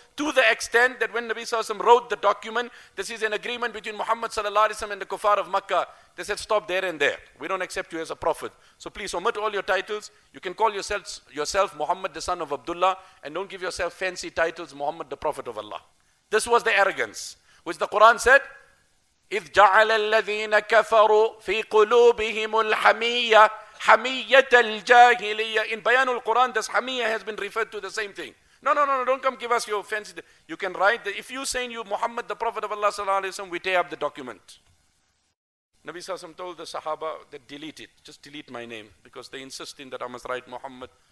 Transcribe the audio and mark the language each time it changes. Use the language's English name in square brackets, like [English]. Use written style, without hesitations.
[English] To the extent that when Nabi Sallallahu Alaihi Wasallam wrote the document, this is an agreement between Muhammad Sallallahu Alaihi Wasallam and the Kuffar of Makkah. They said, stop there and there. We don't accept you as a prophet. So please omit all your titles. You can call yourself Muhammad the son of Abdullah, and don't give yourself fancy titles, Muhammad the prophet of Allah. This was the arrogance, which the Quran said, [Arabic] إِذْ جَعَلَ الَّذِينَ كَفَرُوا فِي قُلُوبِهِمُ الْحَمِيَّةِ حَمِيَّةَ الْجَاهِلِيَّةِ. [English] In Bayan al-Quran, this Hamiyya has been referred to the same thing. No, don't come give us your fancy. You can write that if you saying you Muhammad, the Prophet of Allah sallallahu alayhi wa sallam, we tear up the document. Nabi sallallahu alayhi wa sallam told the Sahaba that delete it. Just delete my name, because they insisting that I must write Muhammad.